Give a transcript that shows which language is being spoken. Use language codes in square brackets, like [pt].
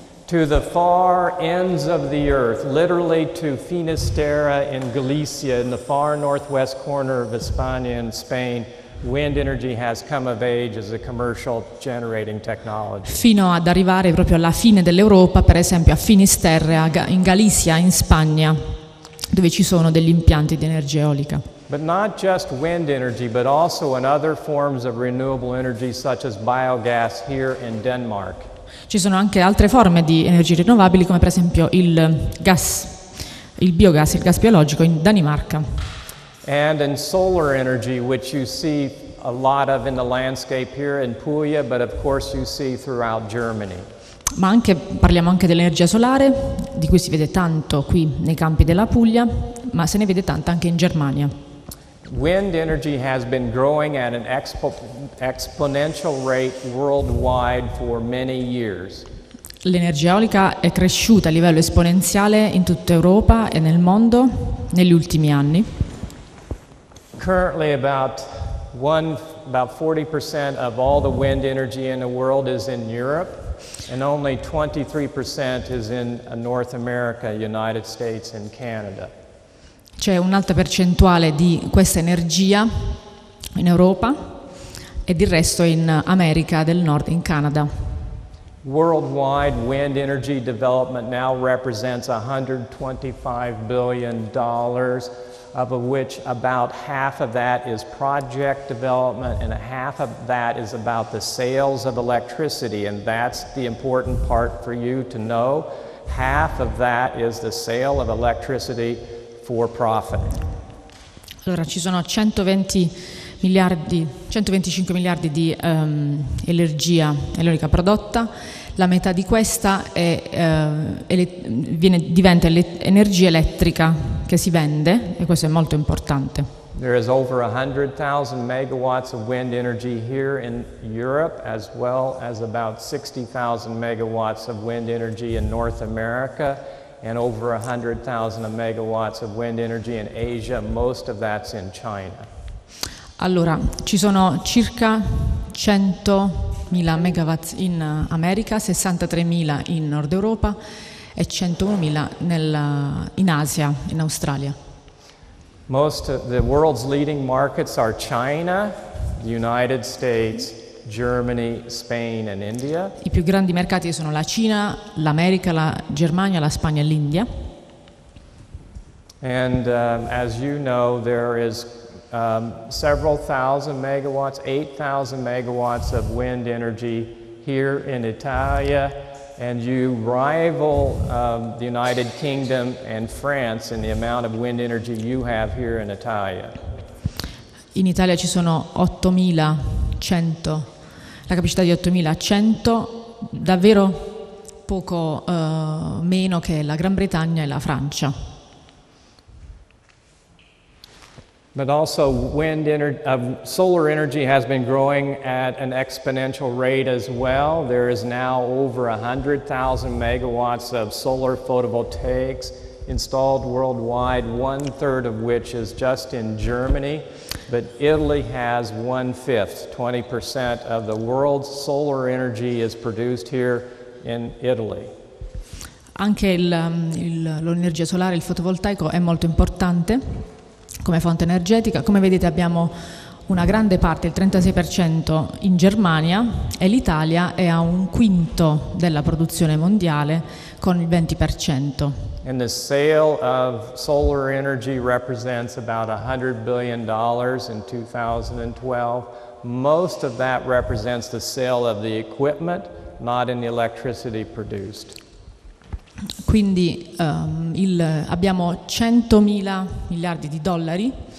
[en] to the far ends of the earth, literally to Finisterre in Galicia, in the far northwest corner of España and Spain, wind energy has come of age as a commercial generating technology. [it] Fino ad arrivare proprio alla fine dell'Europa, per esempio a Finisterre, in Galicia, in Spagna, dove ci sono degli impianti di energia eolica. [en] But not just wind energy, but also in other forms of renewable energy, such as biogas here in Denmark. [it] Ci sono anche altre forme di energie rinnovabili, come per esempio il gas, il biogas, il gas biologico in Danimarca. [en] And in solar energy, which you see a lot of in the landscape here in Puglia, but of course you see throughout Germany. [it] Ma anche parliamo anche dell'energia solare, di cui si vede tanto qui nei campi della Puglia, ma se ne vede tanto anche in Germania. [en] Wind energy has been growing at an exponential rate worldwide for many years. [it] L'energia eolica è cresciuta a livello esponenziale in tutta Europa e nel mondo negli ultimi anni. [en] Currently about 40% of all the wind energy in the world is in Europe and only 23% is in North America, United States and Canada. [it] C'è un'alta percentuale di questa energia in Europa e il resto in America del Nord, in Canada. [en] Worldwide wind energy development now represents $125 billion, of which about half of that is project development and a half of that is about the sales of electricity, and that's the important part for you to know. Half of that is the sale of electricity for profit. [it] Allora ci sono 125 miliardi di energia eolica prodotta. La metà di questa è, diventa energia elettrica che si vende, e questo è molto importante. [en] There is over 100,000 megawatts of wind energy here in Europe, as well as about 60,000 megawatts of wind energy in North America, and over 100,000 megawatts of wind energy in Asia, most of that's in China. [it] Allora, ci sono circa 100.000 megawatt in America, 63.000 in Nord Europa e 101.000 in Asia, in Australia. [en] Most of the world's leading markets are China, the United States, Germany, Spain and India. [it] I più grandi mercati sono la Cina, l'America, la Germania, la Spagna e l'India. [en] And as you know, there is several thousand megawatts, 8,000 megawatts of wind energy here in Italia, and you rival the United Kingdom and France in the amount of wind energy you have here in Italia. [it] In Italia ci sono 8,100, la capacità di 8,100, davvero poco meno che la Gran Bretagna e la Francia. [en] But also solar energy has been growing at an exponential rate as well. There is now over 100,000 megawatts of solar photovoltaics installed worldwide, one third of which is just in Germany. But Italy has one fifth, 20% of the world's solar energy is produced here in Italy. [it] Anche l'energia solare, il fotovoltaico è molto importante come fonte energetica. Come vedete abbiamo una grande parte, il 36% in Germania, e l'Italia è a un quinto della produzione mondiale con il 20%. [en] And the sale of solar energy represents about $100 billion in 2012. Most of that represents the sale of the equipment, not in the electricity produced. [it] Quindi abbiamo 100.000 miliardi di dollari